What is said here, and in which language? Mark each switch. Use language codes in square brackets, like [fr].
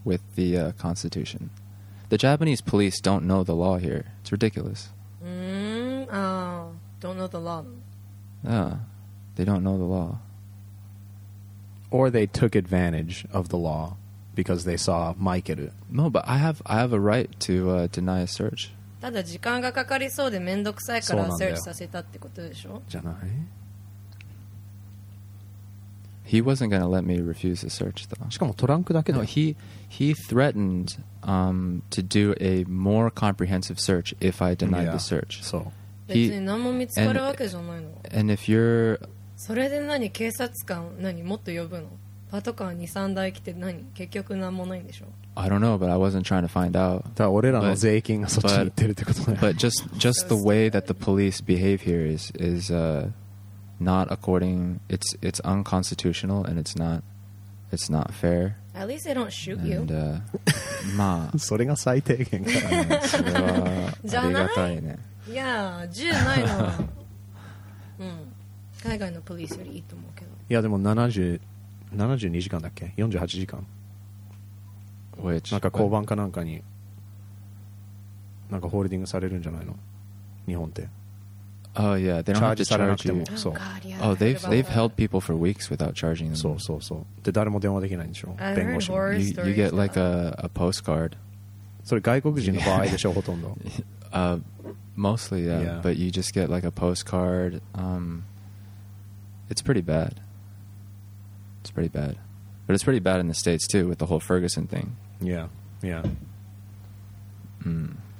[en] with the、constitution The Japanese police don't know the law here It's ridiculous、 don't know the law They don't know the law Or they took advantage of the lawBecause they saw Michael. No, but I have a right to、deny a search. [ja] ただ時間がかかりそうで面倒くさいから search させたってことでしょ？じゃない。 [en] He wasn't gonna let me refuse the search, though. [ja] しかもトランクだけだ。 [en] No, he threatened、to do a more comprehensive search if I denied、 yeah. the search. So. [ja] 別に何も見つかるわけじゃないの。 [en] And if you're. [ja] それで何警察官何もっと呼ぶの？パトカー 2,3 台来て何結局何もないんでしょ [en] I don't know but I wasn't trying to find out [ja] ただ俺らの税金がそっちに行ってるってことね [en] but just the way that the police behave here is not according it's unconstitutional and it's not fair at least they don't shoot you and, まあ [ja] それが最低限かそれはありがたいねいや銃ないのうん海外のポリスよりいいと思うけどいやでも7072時間だっけ48時間 [en] Which, [ja] なんか交番かなんかになんかホールディングされるんじゃないの日本って [en] Oh yeah they don't charge have to charge you [ja] そう [en] oh, God,、 oh, they've held people for weeks without charging them [ja] そうそうそうで誰も電話できないんでしょ弁護士も [en] you get like a postcard [ja] それ外国人の場合でしょほとんど [en] mostly yeah, yeah but you just get like a postcard it's pretty badIt's pretty bad. But it's pretty bad in the States too with the whole Ferguson thing. Yeah, yeah.、 Mm.